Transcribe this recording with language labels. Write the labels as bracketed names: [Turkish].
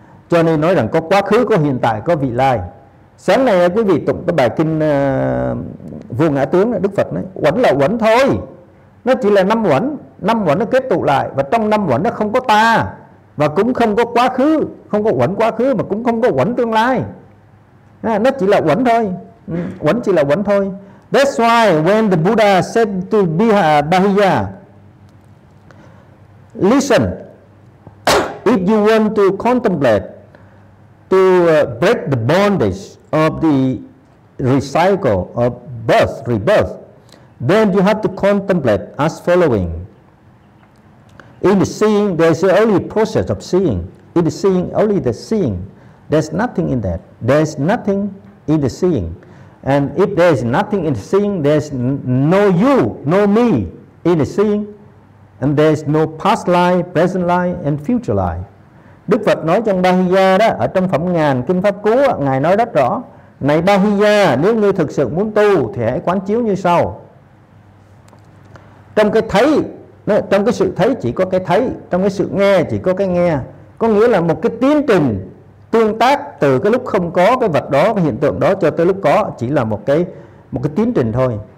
[Vietnamese] Cho nên nói rằng có quá khứ, có hiện tại, có vị lai. Sáng nay quý vị tụng cái bài kinh vô ngã tướng, Đức Phật nói uẩn là uẩn thôi, nó chỉ là năm uẩn nó kết tụ lại, và trong năm uẩn nó không có ta, và cũng không có quá khứ, không có uẩn quá khứ, mà cũng không có uẩn tương lai, nó chỉ là uẩn thôi, uẩn chỉ là uẩn thôi. [English] That's why when the Buddha said to Bahiya, listen, if you want to contemplate, to break the bondage of the recycle of birth, rebirth, then you have to contemplate as following. In the seeing, there's only process of seeing. In the seeing, only the seeing. There's nothing in that. There's nothing in the seeing. And if there's nothing in the seeing, there's no you, no me in the seeing. And there's no past life, present life, and future life. [Vietnamese] Đức Phật nói trong Bahiya đó, ở trong phẩm ngàn kinh pháp cú, ngài nói rất rõ. Này Bahiya, nếu ngươi thực sự muốn tu, thì hãy quán chiếu như sau. Trong cái thấy Nên trong cái sự thấy chỉ có cái thấy, trong cái sự nghe chỉ có cái nghe. Có nghĩa là một cái tiến trình tương tác từ cái lúc không có cái vật đó, cái hiện tượng đó cho tới lúc có, chỉ là một cái tiến trình thôi.